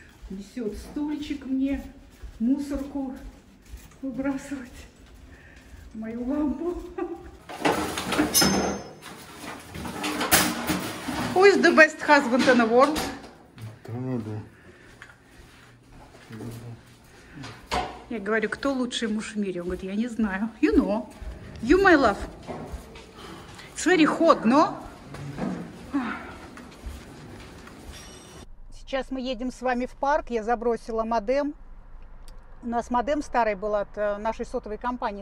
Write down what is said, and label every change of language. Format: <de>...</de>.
<ru>Несет стульчик мне, мусорку выбрасывать, мою лампу.</ru> <en>Who is the best husband in the world?</en> <ru>Я говорю, кто лучший муж в мире? Он говорит, я не знаю.</ru> <en>You know. You my love. It's very hot, no?</en> <ru>Сейчас мы едем с вами в парк. Я забросила модем. У нас модем старый был от нашей сотовой компании.</ru>